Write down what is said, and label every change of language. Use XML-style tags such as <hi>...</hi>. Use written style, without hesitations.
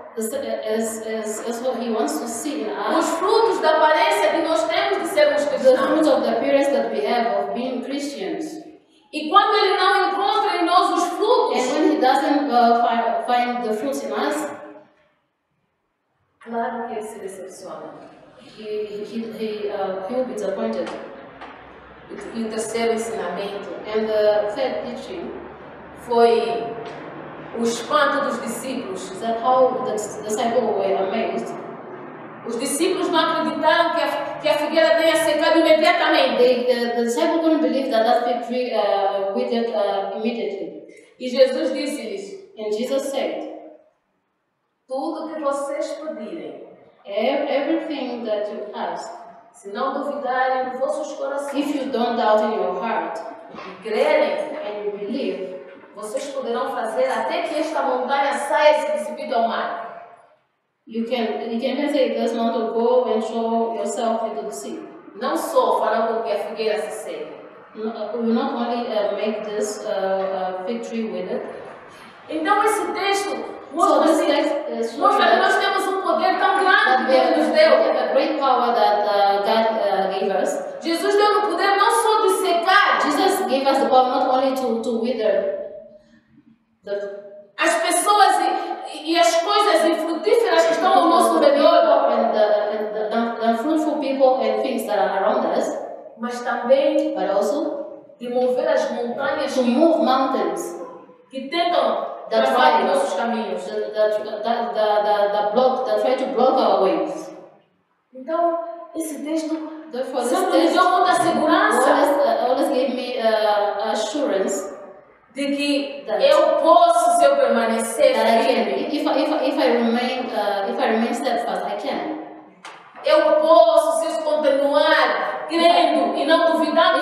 <en>As what he wants to see in us.</en> <pt>Os frutos da aparência que nós temos de sermos cristãos.</pt> <en>The fruits of the appearance that we have of being Christians.</en> <pt>E quando ele não encontra em nós os frutos.</pt> <en>And when he doesn't find the fruits in us.</en> <pt>Claro que ele se decepciona.</pt> <en>He will be disappointed.</en> <pt>E o terceiro ensinamento.</pt> <en>And the third teaching.</en> <pt>Foi o espanto dos discípulos.</pt> <en>Is that how the disciples were amazed?</en> <pt>Os discípulos não acreditaram que a figueira tenha secado imediatamente.</pt> <en>The disciples couldn't believe that fig tree withered immediately.</en> <pt>E Jesus disse-lhes.</pt> <en>And Jesus said,</en> <pt>tudo que vocês pedirem,</pt> <en>everything that you ask,</en> <pt>se não duvidarem nos vossos corações,</pt> <en>if you don't doubt in your heart,</en> <pt>e crerem,</pt> <en>and you believe,</en> <pt>vocês poderão fazer até que esta montanha saia e se dissipe ao mar.</pt> <en>You can say this mountain go and show yourself into the sea.</en> <pt>Não só fará com que a figueira se seque.</pt> <en>Will not only make this fig tree wither.</en> <pt>Então esse texto mostra que nós temos um poder tão grande</pt> <en>that</en> <pt>que Deus nos deu.</pt> <en>A great power that God gave us.</en> <pt>Jesus deu o poder não só de secar.</pt> <en>Jesus gave us the power not only to wither.</en> <pt>As pessoas e as coisas infrutíferas que estão ao nosso redor</pt> <en>and the fruitful people and things that are around us,</en> <pt>mas também para</pt> <en>also</en> <pt>remover as montanhas</pt> <en>to move mountains</en> <pt>que tentam travar nossos caminhos</pt> <en>that block that try to block our ways.</en> <pt>Então esse texto</pt> <en>always gave me assurance</en> <pt>de que</pt> <en>that</en> <pt>eu posso se eu permanecer</pt> <en>that I can if I remain steadfast I can.</en> <pt>Eu posso se eu continuar crendo e não duvidando</pt>